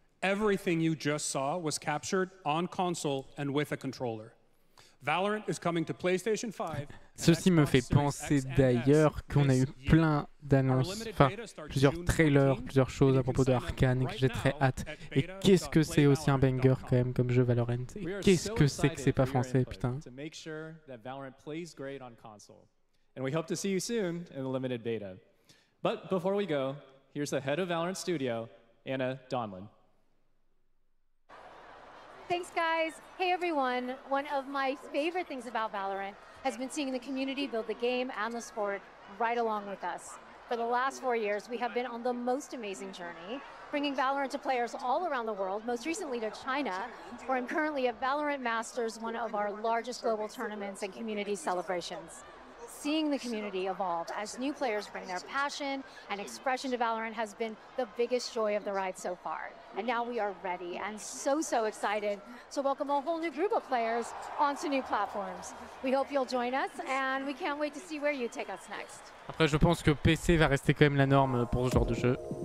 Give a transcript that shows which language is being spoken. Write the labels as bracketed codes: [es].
[en] Everything you just saw was captured on console and with a controller. Valorant is coming to PlayStation 5. [fr] Ceci me fait penser d'ailleurs qu'on a eu plein d'annonces, enfin plusieurs trailers, plusieurs choses à propos de Arcane que j'ai très hâte. Et qu'est-ce que c'est aussi un banger quand même comme jeu Valorant ? Et qu'est-ce que c'est que c'est pas français, putain ? [en] Valorant plays great on console. And we hope to see you soon in the limited beta. But before we go, here's the head of Valorant Studio, Anna Donlan. Thanks, guys. Hey, everyone. One of my favorite things about Valorant has been seeing the community build the game and the sport right along with us. For the last 4 years, we have been on the most amazing journey, bringing Valorant to players all around the world, most recently to China, where I'm currently at Valorant Masters, one of our largest global tournaments and community celebrations. Seeing the community evolve as new players bring their passion and expression to Valorant has been the biggest joy of the ride so far. And now we are ready and so, so excited to welcome a whole new group of players onto new platforms. We hope you'll join us and we can't wait to see where you take us next. [fr] Après, je pense que PC va rester quand même la norme pour ce genre de jeu.